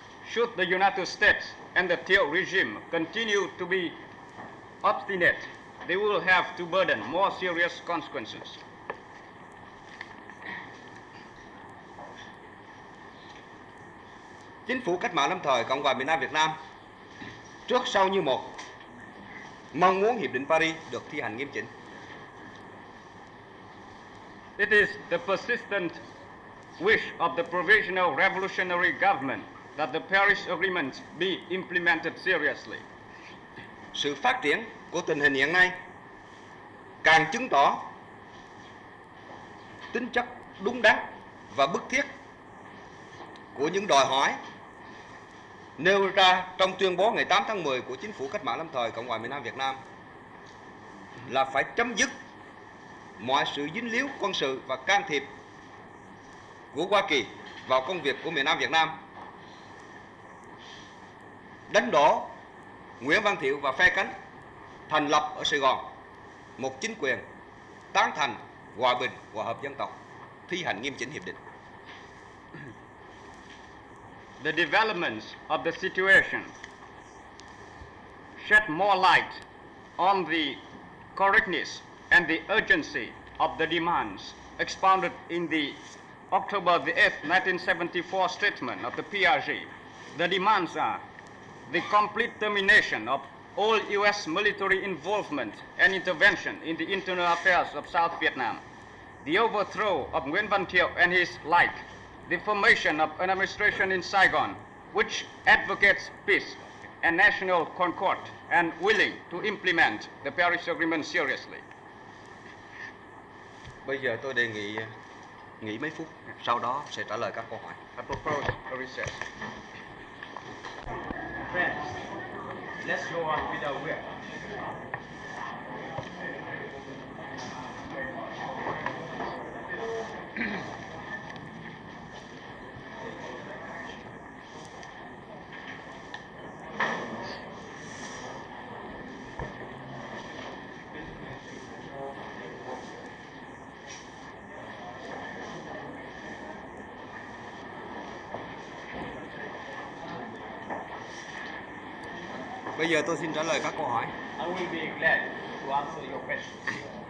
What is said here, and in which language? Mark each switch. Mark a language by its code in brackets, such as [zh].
[en] Should the United States and the Thiệu regime continue to be obstinate, they will have to burden more serious consequences. [vi] Chính phủ cách mạng lâm thời Cộng hòa miền Nam Việt Nam trước sau như một mong muốn Hiệp định Paris được thi hành nghiêm chỉnh. [en] It is the persistent wish of the Provisional Revolutionary Government that the Paris Agreement be implemented seriously. [vi] Sự phát triển của tình hình hiện nay càng chứng tỏ tính chất đúng đắn và bức thiết của những đòi hỏi nêu ra trong tuyên bố ngày 8 tháng 10 của Chính phủ Cách mạng lâm thời Cộng hòa miền Nam Việt Nam là phải chấm dứt mọi sự dính líu quân sự và can thiệp của Hoa Kỳ vào công việc của miền Nam Việt Nam, đánh đổ Nguyễn Văn Thiệu và phe cánh, thành lập ở Sài Gòn một chính quyền tán thành hòa bình và hợp dân tộc, thi hành nghiêm chỉnh hiệp định. [en] The developments of the situation shed more light on the correctness and the urgency of the demands expounded in the October the 8th, 1974 statement of the PRG. The demands are the complete termination of all U.S. military involvement and intervention in the internal affairs of South Vietnam, the overthrow of Nguyễn Văn Thiệu and his like, the formation of an administration in Saigon which advocates peace and national concord and willing to implement the Paris Agreement seriously. [vi] Bây giờ tôi đề nghị nghỉ mấy phút, sau đó sẽ trả lời các câu hỏi. [en] I propose a recess. Friends, let's go on with our work. [vi] Bây giờ tôi xin trả lời các câu hỏi. [en] I will be glad to answer your questions.